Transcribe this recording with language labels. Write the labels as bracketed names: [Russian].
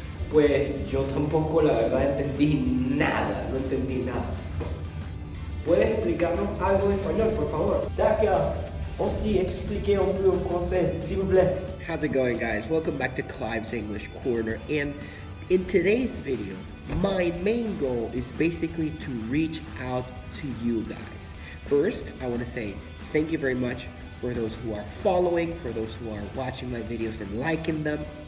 [Spanish] Pues yo tampoco, la verdad, entendí nada, no entendí nada. ¿Puedes explicarnos algo en español, por favor? [French] D'accord. Aussi, expliquez un peu en français, s'il vous plaît. [English] How's it going, guys? Welcome back to Clive's English Corner. And in today's video, my main goal is basically to reach out to you guys. First, I want to say thank you very much for those who are following, for those who are watching my videos and liking them.